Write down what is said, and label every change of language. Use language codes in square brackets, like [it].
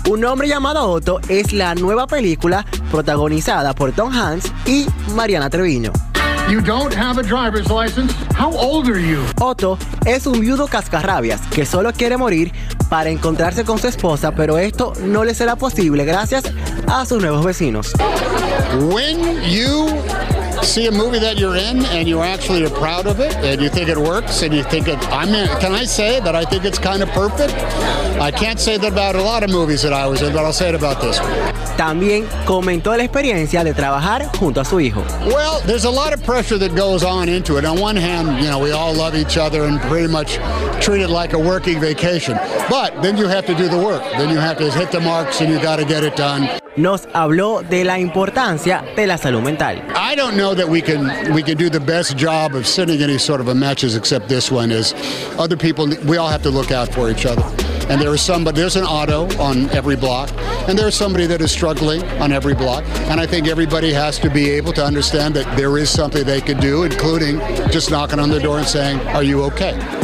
[es] Un Hombre Llamado Otto es la nueva película protagonizada por Tom Hanks y Mariana Treviño. [en] You don't have a driver's license. How old are you? [es] Otto es un viudo cascarrabias que solo quiere morir para encontrarse con su esposa, pero esto no le será posible gracias a sus nuevos vecinos. [en] When you see a movie that you're in and you actually are proud of it and you think it works and you think it, I mean, can I say that I think it's kind of perfect? I can't say that about a lot of movies that I was in, but I'll say it about this one. [es] también comentó la experiencia de trabajar junto a su hijo. [en] Well, there's a lot of pressure that goes on into it. On one hand, you know, we all love each other and pretty much treat it like a working vacation. But then you have to do the work. Then you have to hit the marks and you got to get it done. [es] Nos habló de la importancia de la salud mental. [en] I don't know that we can do the best job of sending any sort of a message except this one is other people, we all have to look out for each other. And there is somebody, there's an auto on every block, and there's somebody that is struggling on every block. And I think everybody has to be able to understand that there is something they could do, including just knocking on the door and saying, are you okay?